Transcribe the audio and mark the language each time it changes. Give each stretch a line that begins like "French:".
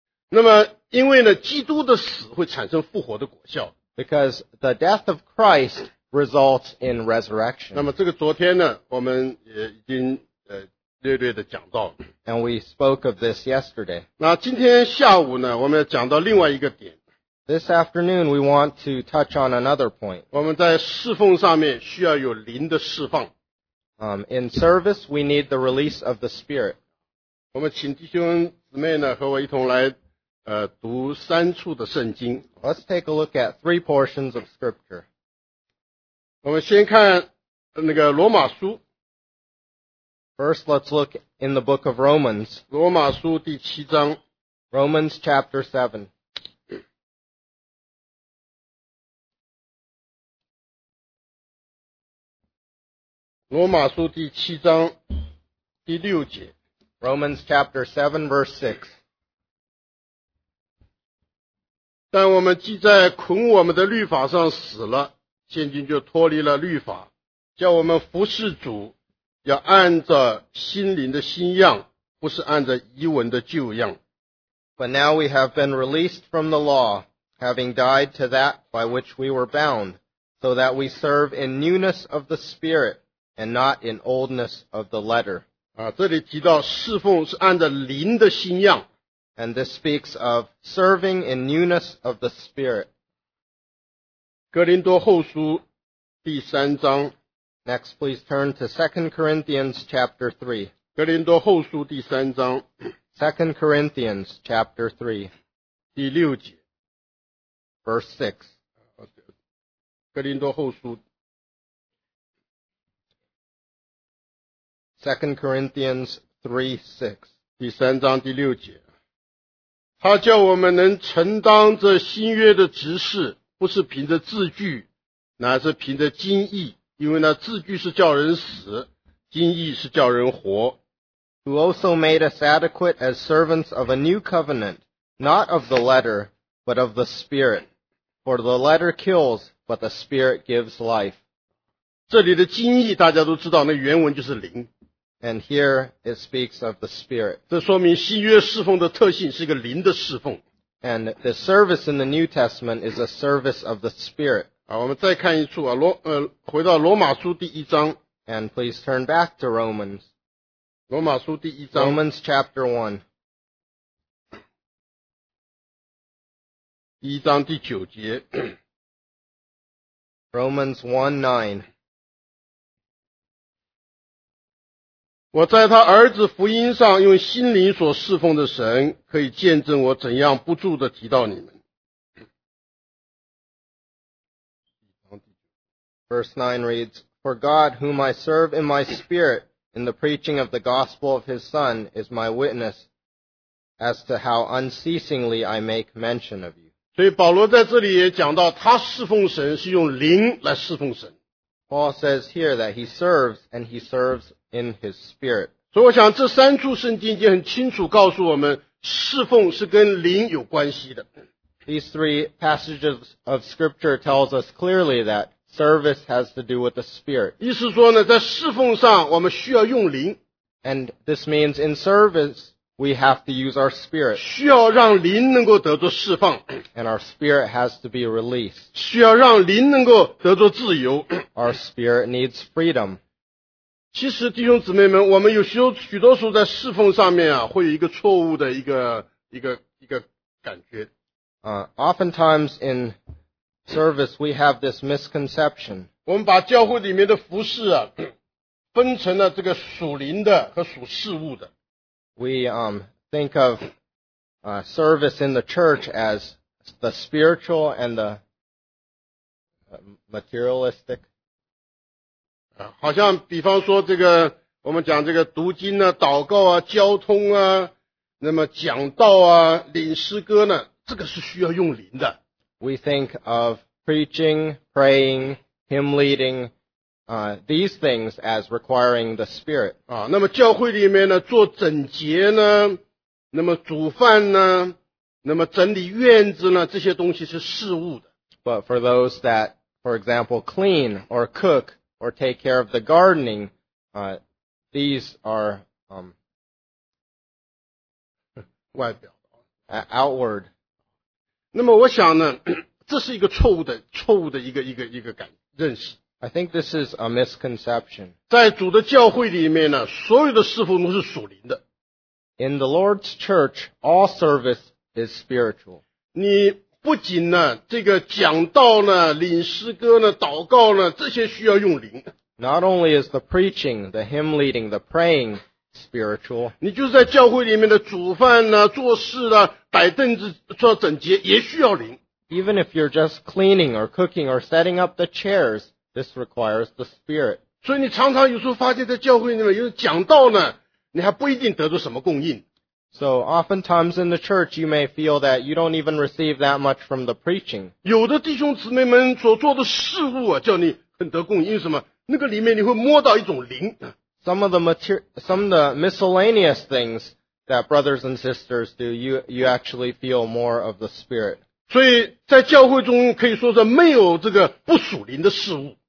Chinese: 那么因为呢，基督的死会产生复活的果效。
English: Because the death of Christ results in resurrection.
Chinese: 那么这个昨天呢，我们也已经略略的讲到了。
English: And we spoke of this yesterday.
Chinese: 那今天下午呢，我们要讲到另外一个点。
English: This afternoon, we want to touch on another point.
Chinese: 我们在侍奉上面需要有灵的释放。
English: In service, we need the release of the Spirit.
Chinese: 我们请弟兄姊妹呢和我一同来读三处的圣经。
English: Let's take a look at three portions of Scripture.
Chinese: 我们先看那个罗马书。
English: First, let's look in the book of Romans.
Chinese: 罗马书第七章。
English: Romans chapter 7.
Chinese: 罗马书第七章第六节。
English: Romans chapter 7 verse 6.
Chinese: 但我们既在捆我们的律法上死了，现今就脱离了律法，叫我们服侍主，要按着心灵的新样，不是按着遗文的旧样。
English: But now we have been released from the law, having died to that by which we were bound, so that we serve in newness of the Spirit. And not in oldness of the letter.
Chinese: 啊，这里提到侍奉是按照灵的新样。
English: And this speaks of serving in newness of the Spirit.
Chinese: 哥林多后书第三章。
English: Next, please turn to 2 Corinthians chapter 3.
Chinese: 哥林多后书第三章。
English: 2 Corinthians chapter 3.
Chinese: 第六节。
English: Verse 6.
Chinese: 哥林多后书。
English: 2 Corinthians 3:6.
Chinese: 第三章第六节。他叫我们能承当这新约的职事，不是凭着字句，乃是凭着经意，因为那字句是叫人死，经意是叫人活。
English: Who also made us adequate as servants of a new covenant, not of the letter, but of the Spirit. For the letter kills, but the Spirit gives life.
Chinese: 这里的经意大家都知道，那原文就是灵。
English: And here it speaks of the Spirit.
Chinese: 这说明新约侍奉的特性是一个灵的侍奉。
English: And the service in the New Testament is a service of the Spirit.
Chinese: 我们再看一处啊，罗呃，回到罗马书第一章。
English: And please turn back to Romans.
Chinese: 罗马书第一章。
English: Romans chapter 1.
Chinese: 第一章第九节
English: Romans 1:9
Chinese: 我在他儿子福音上用心灵所侍奉的神可以见证我怎样不住地提到你们
English: Verse 9 reads For God whom I serve in my spirit in the preaching of the gospel of his son is my witness as to how unceasingly I make mention of you
Chinese: 所以保罗在这里也讲到他侍奉神是用灵来侍奉神。
English: Paul says here that he serves and he serves in his spirit.
Chinese: 所以我想这三处圣经已经很清楚告诉我们侍奉是跟灵有关系的。
English: These three passages of scripture tells us clearly that service has to do with the spirit.
Chinese: 意思说呢在侍奉上我们需要用灵。
English: And this means in service,We have to use our spirit.
Chinese: 需要让灵能够得着释放。
English: And our spirit has to be released.
Chinese: 需要让灵能够得着自由。
English: Our spirit needs freedom.
Chinese: 其实弟兄姊妹们我们有时候许多时候在侍奉上面啊会有一个错误的一个感觉。
English: Oftentimes in service we have this misconception.
Chinese: 我们把教会里面的服事啊分成了这个属灵的和属事物的。
English: We think of service in the church as the spiritual and the materialistic.
Chinese: 好像比方说这个我们讲这个读经啊祷告啊交通啊那么讲道啊领诗歌呢这个是需要用灵的。
English: We think of preaching, praying, hymn leading,these things as requiring the spirit.
Chinese: 那么教会里面呢做整洁呢那么煮饭呢那么整理院子呢这些东西是事物的。
English: But for those that, for example, clean or cook or take care of the gardening, these are,
Chinese: 外表。
English: Outward.
Chinese: 那么我想呢这是一个错误的一个感认识。
English: I think this is a misconception.
Chinese: 在主的教会里面呢，所有的侍奉都是属灵的。
English: In the Lord's church, all service is spiritual.
Chinese: 你不仅呢，这个讲道呢，领诗歌呢，祷告呢，这些需要用灵。
English: Not only is the preaching, the hymn leading, the praying spiritual.
Chinese: 你就是在教会里面的煮饭呢，做事呢，摆凳子，做整洁，也需要灵。
English: Even if you're just cleaning or cooking or setting up the chairs,This requires the Spirit.
Chinese: 所以你常常有时候发现在教会里面有讲道呢你还不一定得到什么供应。
English: So oftentimes in the church you may feel that you don't even receive that much from the preaching.
Chinese: 有的弟兄姊妹们所做的事物啊叫你很得供应什么那个里面你会摸到一种灵。
English: Some of the miscellaneous things that brothers and sisters do, you actually feel more of the Spirit.
Chinese: 所以在教会中可以说是没有这个不属灵的事物。